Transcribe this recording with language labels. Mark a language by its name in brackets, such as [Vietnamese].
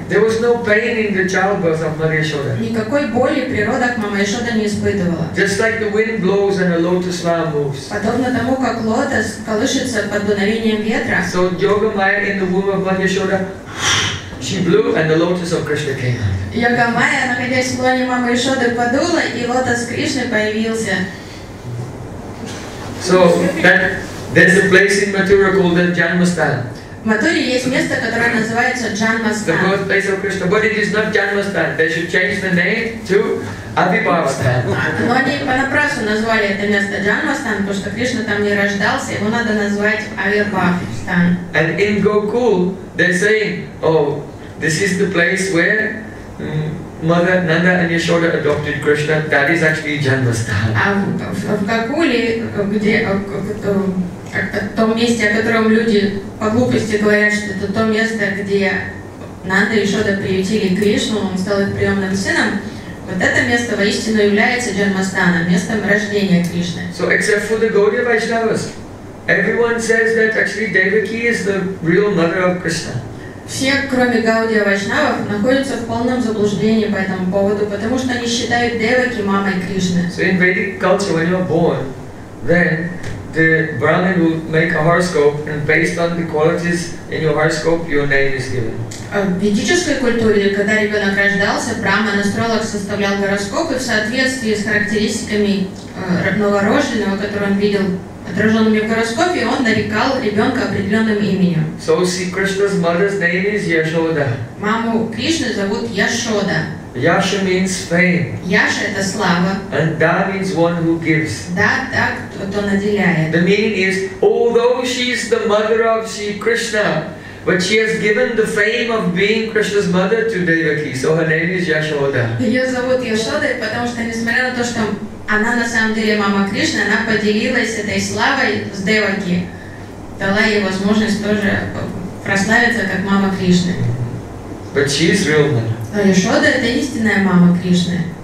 [English] There was no pain in the childbirth of Madhya Shoda. [Russian] Никакой боли при родах мама Ишода не испытывала. [English] Just like the wind blows and a lotus flower moves. [Russian] Подобно тому, как лотос колышется под дуновением ветра. [English] So Йогамая in the womb of Madhya Shoda, she blew and the lotus of Krishna came out. [Russian] Йогамая, находясь в лоне мамы Ишоды, подула и лотос Кришны появился. [English] So there's a place in Mathura called the Janmashtami. [Russian] В Матуре есть место, которое называется Джанмастан. [English] The birthplace of Krishna. But it is not Janmastan. They should change the name to Abhibhavastan. [Russian] Но они понапрасну назвали это место Джанмастан, потому что Кришна там не рождался, его надо назвать Абхибхавастан. [English] And in Gokul, they say, oh, this is the place where Mother Nanda and Yashoda adopted Krishna. That is actually Janmastan. [Russian] В Гокуле, где в том месте, о котором люди по глупости говорят, что это то место, где Нанда и Ишода приютили Кришну, он стал их приемным сыном, вот это место воистину является Джанмастаном, местом рождения Кришны. [English] So except for the Gaudiya Vaishnavas, everyone says that actually Devaki is the real mother of Krishna. [Russian] Все, кроме Гаудия Вайшнавов, находятся в полном заблуждении по этому поводу, потому что они считают Деваки мамой Кришны. [English] So in Vedic culture, when you're born, then the Brahmin will make a horoscope, and based on the qualities in your horoscope, your name is given. [Russian] В ведической культуре, когда ребенок рождался, Брахман астролог составлял гороскоп, и в соответствии с характеристиками новорожденного, который он видел отраженными в гороскопе, он нарекал ребенка определенным именем. [English] So, see, Krishna's mother's name is Yashoda. [Russian] Маму Кришны зовут Яшода. [English] Yasha means fame. [Russian] Yasha – это слава. [English] And Da means one who gives. [Russian] Da – та, кто наделяет. [English] The meaning is, although she is the mother of Sri Krishna, but she has given the fame of being Krishna's mother to Devaki. So her name is Yashoda. [Russian] Ее зовут Яшода, потому что, несмотря на то, что она на самом деле мама Кришны, она поделилась этой славой с Деваки, дала ей возможность тоже прославиться как мама Кришны. [English] But she is real mother. [Russian] Но Яшода – это истинная мама Кришны.